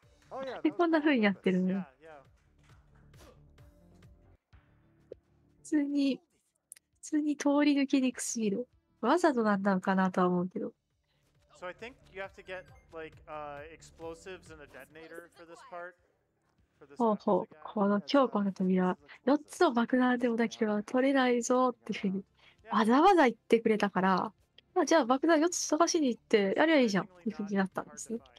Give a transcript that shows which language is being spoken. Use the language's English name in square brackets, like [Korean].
[Japanese] なんでこんな風にやってるの。普通に通り抜けにくすぎる。わざとなんだかなとは思うけど。 [English] So I think you have to get like explosives and a detonator for this part. [Japanese] ほうほう、この強固な扉、4つの爆弾でもなければ取れないぞっていうふうにわざわざ言ってくれたから、まあ、じゃあ爆弾4つ探しに行ってやりゃいいじゃんっていうふうになったんですね。